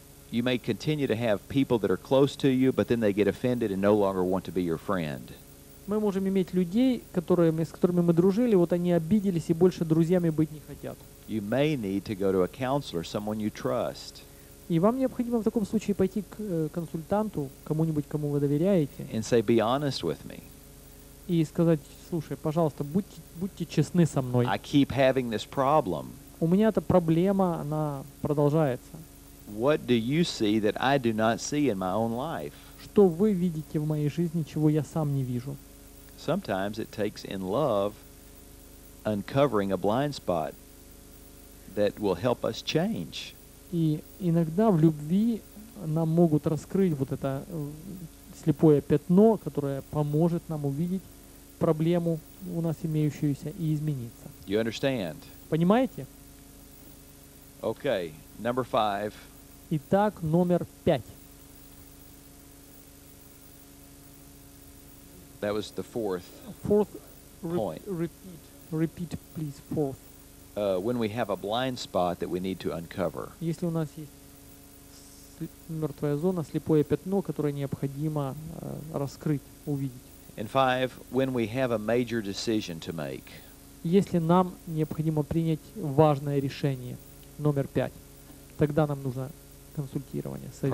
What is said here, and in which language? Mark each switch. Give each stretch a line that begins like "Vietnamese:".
English: You may continue to have people that are close to you, but then they get offended and no longer want to be your friend.
Russian: Мы можем иметь людей, с которыми мы дружили, вот они обиделись и больше друзьями быть не хотят.
English: You may need to go to a counselor, someone you trust.
Russian: И вам необходимо в таком случае пойти к консультанту, кому-нибудь, кому вы доверяете.
English: And say, be honest with me.
Russian: И сказать, слушай, пожалуйста, будьте честны со мной.
English: I keep having this problem.
Russian: У меня эта проблема, она продолжается.
English: What do you see that I do not see in my own life?
Russian: Что вы видите в моей жизни, чего я сам не вижу?
English: Sometimes it takes in love uncovering a blind spot that will help us change.
Russian: И иногда в любви нам могут раскрыть вот это слепое пятно, которое поможет нам увидеть проблему у нас имеющуюся и измениться.
English: You understand?
Russian: Понимаете?
English: Okay, number five.
Russian: Итак, номер пять.
English: That was the fourth. Fourth point. Repeat, please, fourth. When we have a blind spot that we need to uncover.
Russian: Если у нас есть мертвая зона, слепое пятно, которое необходимо раскрыть, увидеть.
English: And five, when we have a major decision to make.
Russian: Если нам необходимо принять важное решение, номер пять, тогда нам нужно консультирование, совет.